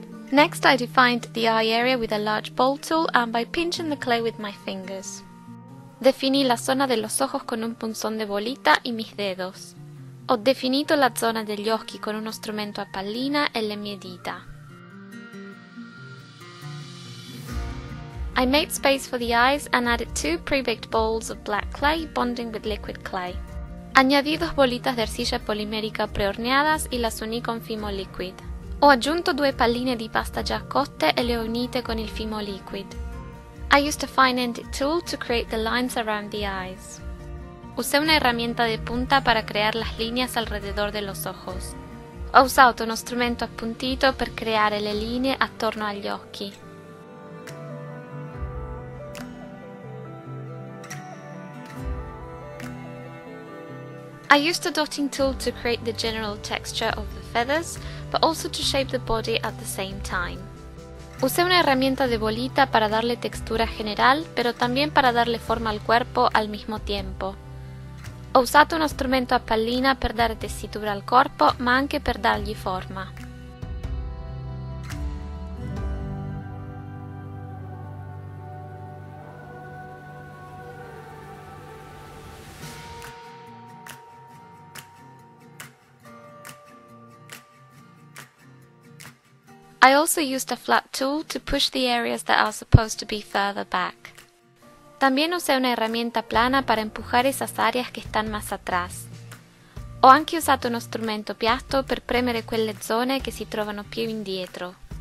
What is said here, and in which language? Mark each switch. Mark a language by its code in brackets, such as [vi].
[en] Next, I defined the eye area with a large bowl tool and by pinching the clay with my fingers. [es] Definí la zona de los ojos con un punzón de bolita y mis dedos. [it] Ho definito la zona degli occhi con uno strumento a pallina e le mie dita. [en] I made space for the eyes and added two pre-baked balls of black clay bonding with liquid clay. [es] Añadí dos bolitas de arcilla polimérica prehorneadas y las uní con fimo liquid. [it] Ho aggiunto due palline di pasta già cotte e le ho unite con il fimo liquid. [en] I used a fine-ended tool to create the lines around the eyes. [es] Usé una herramienta de punta para crear las líneas alrededor de los ojos. [it] Ho usato uno strumento appuntito per creare le linee attorno agli occhi. [en] I used a dotting tool to create the general texture of the feathers, but also to shape the body at the same time. [es] Usé una herramienta de bolita para darle textura general, pero también para darle forma al cuerpo al mismo tiempo. [it] Ho usato uno strumento a pallina per dare tessitura al corpo, ma anche per dargli forma. [en] I also used a flat tool to push the areas that are supposed to be further back. [es] También usé una herramienta plana para empujar esas áreas que están más atrás. [it] Ho anche usato uno strumento piatto per premere quelle zone che si trovano più indietro.